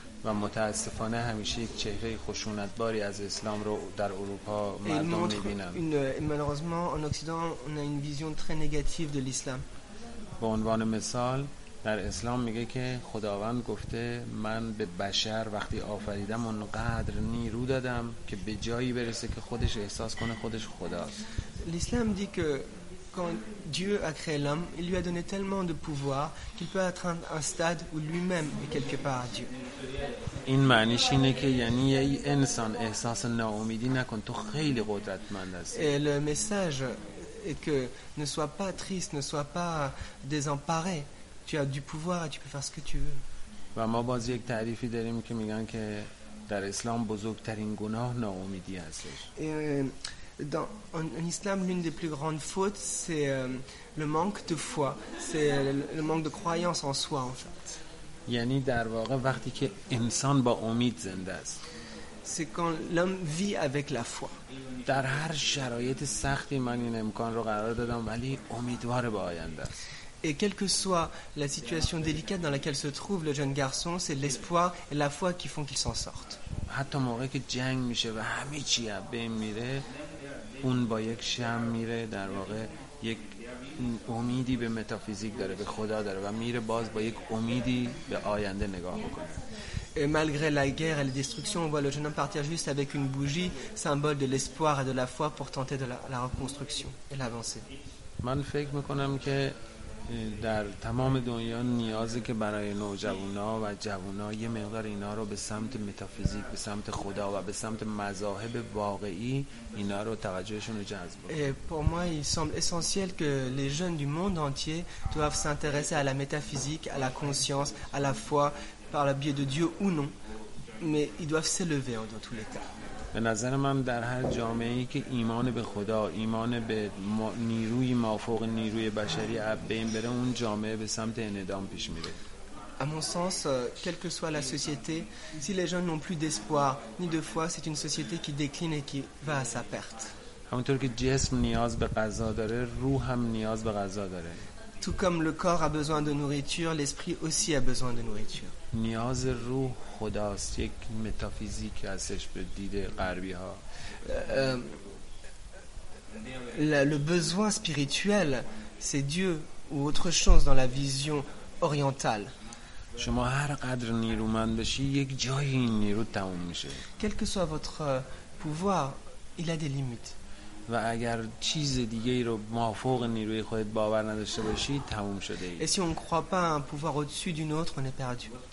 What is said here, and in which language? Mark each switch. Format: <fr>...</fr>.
<fa>و متاسفانه همیشه یک چهره خشونتباری از اسلام رو در اروپا مردم میبینن.</fa> <fr>Malheureusement en occident on a une vision très négative de l'islam.</fr> <fa>به عنوان مثال در اسلام میگه که خداوند گفته من به بشر وقتی آفریدم اونقدر نیرو دادم که به جایی برسه که خودش احساس کنه خودش خداست.</fa> <fr>L'islam dit que quand Dieu a créé l'homme, il lui a donné tellement de pouvoir qu'il peut atteindre un stade où lui-même est quelque part Dieu.</fr> <fa>این معنیش اینه که یعنی ای انسان احساس ناامیدی نکن، تو خیلی قدرتمند هستی.</fa> <fr>Le message est que ne sois pas triste, ne sois pas désemparé. Tu as du pouvoir et tu peux faire ce que tu veux.</fr> <fa>و ما باز یک تعریفی داریم که میگن که در اسلام بزرگترین گناه ناامیدی هستش.</fa> <fr>Dans en islam l'une des plus grandes fautes c'est le manque de foi, c'est le manque de croyance en soi en fait.</fr> <fa>یعنی در واقع وقتی که انسان با امید زنده است.</fa> <fr>c'est quand l'homme vit avec la foi.</fr> <fa>در هر شرایط سختی من این امکان رو قرار دادم ولی امیدوار به آینده است.</fa> <fr>Et quelle que soit la situation délicate dans laquelle se trouve le jeune garçon, c'est l'espoir et la foi qui font qu'il s'en sorte.</fr> <fa>حتی موقعی که جنگ میشه و همه چی میره، اون با یک شمع میره، در واقع یک امیدی به متافیزیک داره، به خدا داره و میره باز با یک امیدی به آینده نگاه میکنه.</fa> <fr>Et malgré la guerre et la destruction, on voit le jeune homme partir juste avec une bougie, symbole de l'espoir et de la foi pour tenter de la reconstruction et l'avancer.</fr> <fa>من فکر میکنم که در تمام دنیا نیازه که برای نوجوانا و جوانا یه مقدار اینا رو به سمت متافیزیک، به سمت خدا و به سمت مذاهب واقعی اینا رو توجهشون رو جذب کنه.</fa> <fr>Et pour moi, il semble essentiel que les jeunes du monde entier doivent s'intéresser à la métaphysique, à la conscience, à la foi par le biais de Dieu ou non, mais ils doivent s'élever dans tous les cas.</fr> <fa>به نظر من در هر جامعه‌ای که ایمان به خدا، ایمان به نیروی مافوق نیروی بشری بین بره، اون جامعه به سمت انعدام پیش میره.</fa> <fr>À mon sens, quelle que soit la société, si les jeunes n'ont plus d'espoir ni de foi, c'est une société qui décline et qui va à sa perte.</fr> <fa>همونطور که جسم نیاز به غذا داره، روح هم نیاز به غذا داره.</fa> <fr>Tout comme le corps a besoin de nourriture, l'esprit aussi a besoin de nourriture.</fr> <fa>نیاز روح خداست، یک متافیزیک هستش به دید غربی ها.</fa> <fr>Le besoin spirituel, c'est Dieu ou autre chose dans la vision orientale.</fr> <fa>شما هر قدر نیرومند بشی، یک جایی این نیرو تموم میشه.</fa> <fr>Quel que soit votre pouvoir, il a des limites.</fr> <fa>و اگر چیز دیگه ای رو مافوق نیروی خودت باور نداشته باشی، تموم شده ای.</fa> <fr>Et si on ne croit pas un pouvoir au-dessus d'une autre, on est perdu.</fr>